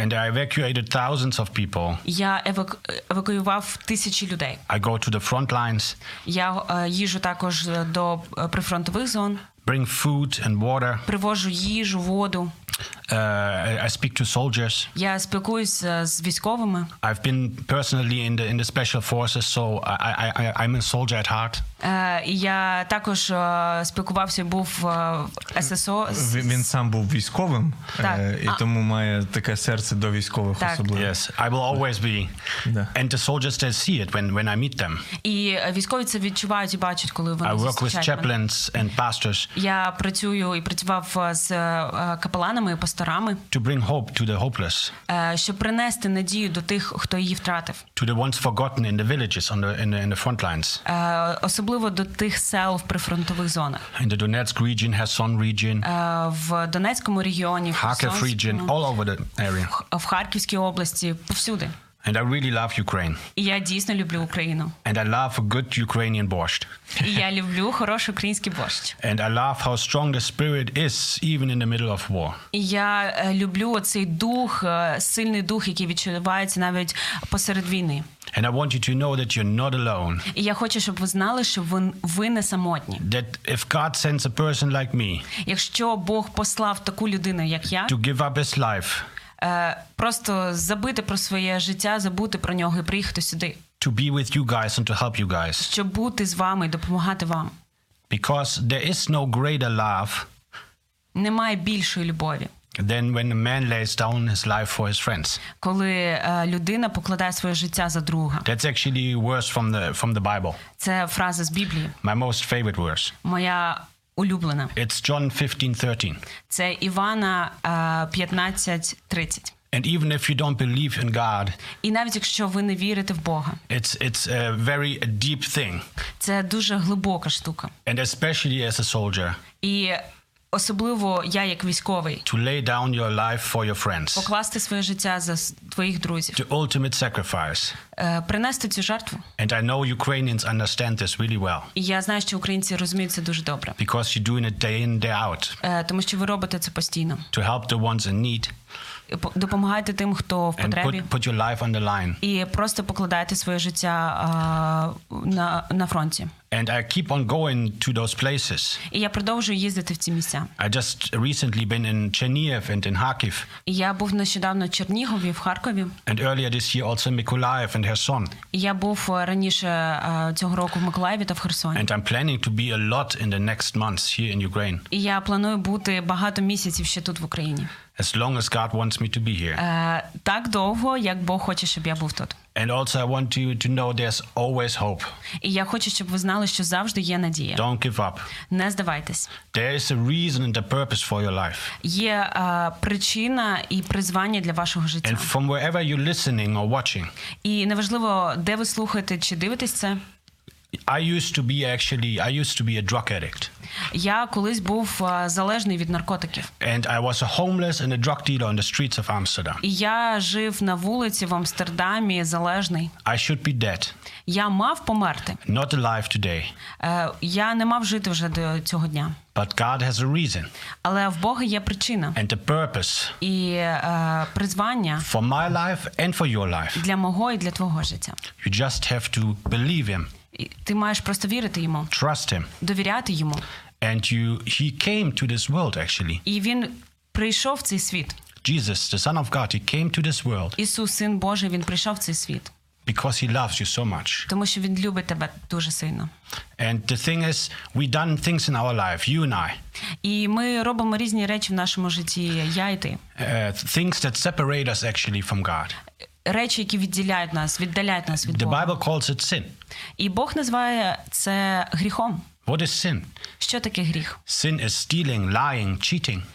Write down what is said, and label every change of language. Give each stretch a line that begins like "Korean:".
English: And I evacuated thousands of people.
Ukrainian: Я евакуював тисячі людей.
English: I go to the front lines.
Ukrainian: Я їжу також до прифронтових зон.
English: Bring food and water.
Ukrainian: Привожу їжу, воду.
English: I speak to soldiers.
Ukrainian: Я спілкуюся з військовими.
English: I've been personally in the special forces, so I'm a soldier at heart.
Ukrainian: Я також спілкувався, був в ССО. Він сам був військовим, і тому має таке серце до військових особливо.
English: Yes, I will always be. Yeah. And the soldiers they see it when I meet them.
Ukrainian: І військові це відчувають і бачать, коли вони зустрічають.
English: I work with chaplains and pastors.
Ukrainian: Я працюю і працював з капеланами, пасторами.
English: To bring hope to the hopeless.
Ukrainian: Щоб принести надію до тих, хто її втратив.
English: To the ones forgotten in the villages on the front lines.
Ukrainian: Особливо до тих сел в прифронтових зонах.
English: In the Donetsk region, Kherson region.
Ukrainian: В Донецькому регіоні,
English: Харків region, all over the area.
Ukrainian: В Харківській області, повсюди.
English: And I really love Ukraine.
Ukrainian: І я дійсно люблю Україну.
English: And I love a good Ukrainian borscht.
Ukrainian: І я люблю хороший український борщ.
English: And I love how strong the spirit is even in the middle of war.
Ukrainian: І я люблю оцей дух, сильний дух, який відчувається навіть посеред війни.
English: And I want you to know that you're not alone.
Ukrainian: І я хочу, щоб ви знали, що ви не самотні.
English: That if God sends a person like me.
Ukrainian: Якщо Бог послав таку людину, як я.
English: To give up his life.
Ukrainian: Просто забити про своє життя, забути про нього і приїхати сюди.
English: To be with you guys and to help you guys.
Ukrainian: Щоб бути з вами і допомагати вам.
English: Because there is no greater love.
Ukrainian: Немає більшої любові.
English: Then when a man lays down his life for his friends.
Ukrainian: Коли людина покладає своє життя за друга.
English: That's actually a verse from the Bible.
Ukrainian: Це фраза з Біблії.
English: My most favorite verse.
Ukrainian: Моя улюблена.
English: It's John 15:13.
Ukrainian: Це Івана 15:30.
English: And even if you don't believe in God.
Ukrainian: І навіть якщо ви не вірите в Бога.
English: It's a very deep thing.
Ukrainian: Це дуже глибока штука.
English: And especially as a soldier.
Ukrainian: І особливо я як військовий.
English: To lay down your life for your friends.
Ukrainian: Покласти своє життя за твоїх друзів.
English: The ultimate sacrifice.
Ukrainian: Принести цю жертву.
English: And I know Ukrainians understand this really well.
Ukrainian: І я знаю, що українці розуміють це дуже добре.
English: Because you're doing it day in, day out.
Ukrainian: Тому що ви робите це постійно.
English: To help the ones in need.
Ukrainian: Допомагайте тим, хто в потребі.
English: Put your life on the line.
Ukrainian: І просто покладайте своє життя на фронті.
English: And I keep on going to those places.
Ukrainian: І я продовжую їздити в ці місця.
English: I just recently been in Chernihiv and in Kharkiv.
Ukrainian: Я був нещодавно в Чернігові, в Харкові.
English: And earlier this year also in Миколаїв and Херсон.
Ukrainian: Я був раніше цього року в Миколаєві та в Херсоні.
English: And I'm planning to be a lot in the next months here in Ukraine.
Ukrainian: І я планую бути багато місяців ще тут в Україні.
English: As long as God wants me to be here.
Ukrainian: Так довго, як Бог хоче, щоб я був тут.
English: And also I want you to know there's always hope.
Ukrainian: І я хочу, щоб ви знали, що завжди є надія.
English: Don't give up.
Ukrainian: Не здавайтесь.
English: There is a reason and a purpose for your life.
Ukrainian: Є причина і призвання для вашого життя.
English: And from wherever you're listening or watching.
Ukrainian: І неважливо, де ви слухаєте чи дивитесь це.
English: I used to be a drug addict.
Ukrainian: Я колись був залежний від наркотиків.
English: And I was a homeless and a drug dealer on the streets of Amsterdam.
Ukrainian: І я жив на вулиці в Амстердамі залежний.
English: I should be dead.
Ukrainian: Я мав померти.
English: Not alive today.
Ukrainian: Я не мав жити вже до цього дня.
English: But God has a reason.
Ukrainian: Але в Бога є причина.
English: And a purpose.
Ukrainian: І призвання.
English: For my life and for your life.
Ukrainian: Для мого і для твого життя.
English: You just have to believe him.
Ukrainian: Ти маєш просто вірити йому.
English: Trust him.
Ukrainian: Довіряти йому.
English: And he came to this world actually.
Ukrainian: І він прийшов в цей світ.
English: Jesus, the Son of God, he came to this world.
Ukrainian: Ісус, Син Божий, він прийшов в цей світ.
English: Because he loves you so much.
Ukrainian: Тому що він любить тебе дуже сильно.
English: And the thing is, we done things in our life, you and I.
Ukrainian: І ми робимо різні речі в нашому житті, я і ти.
English: Things that separate us actually from God.
Ukrainian: Речі, які відділяють нас, віддаляють нас від Бога.
English: The Bible calls it sin.
Ukrainian: І Бог називає це гріхом.
English: What is sin?
Ukrainian: Що таке гріх?
English: Sin is stealing, lying, cheating.